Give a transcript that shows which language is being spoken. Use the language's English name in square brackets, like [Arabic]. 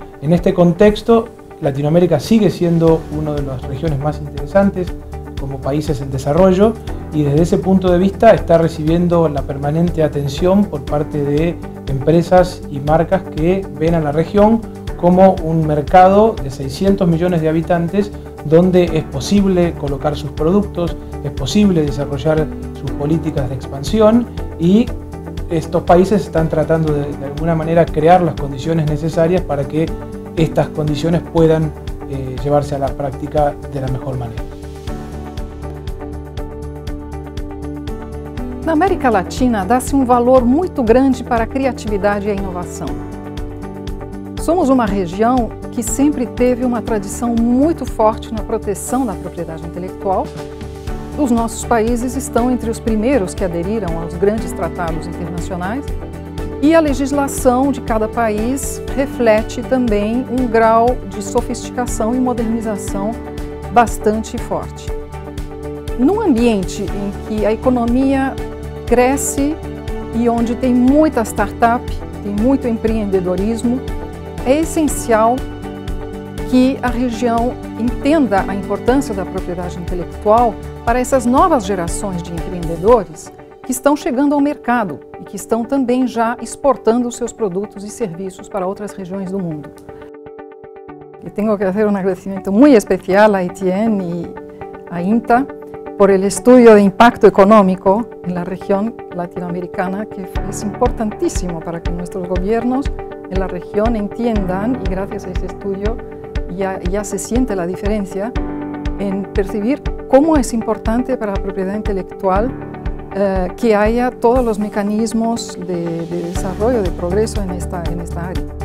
[Spanish] En este contexto, Latinoamérica sigue siendo una de las regiones más interesantes como países en desarrollo y desde ese punto de vista está recibiendo la permanente atención por parte de empresas y marcas que ven a la región como un mercado de 600 millones de habitantes donde es posible colocar sus productos, es posible desarrollar sus políticas de expansión y estos países están tratando de alguna manera crear las condiciones necesarias para que estas condiciones puedan llevarse a la práctica de la mejor manera. [Portuguese] Na América Latina dá-se valor muito grande para a criatividade e a inovação. Somos uma região que sempre teve uma tradição muito forte na proteção da propriedade intelectual. Os nossos países estão entre os primeiros que aderiram aos grandes tratados internacionais e a legislação de cada país reflete também um grau de sofisticação e modernização bastante forte. Num ambiente em que a economia cresce e onde tem muita startup, tem muito empreendedorismo, é essencial que a região entenda a importância da propriedade intelectual para essas novas gerações de empreendedores que estão chegando ao mercado e que estão também já exportando seus produtos e serviços para outras regiões do mundo. Eu tenho que fazer agradecimento muito especial à ETN e à INTA [Spanish] por el estudio de impacto económico en la región latinoamericana, que es importantísimo para que nuestros gobiernos en la región entiendan, y gracias a ese estudio ya se siente la diferencia en percibir cómo es importante para la propiedad intelectual que haya todos los mecanismos de desarrollo, de progreso en esta área.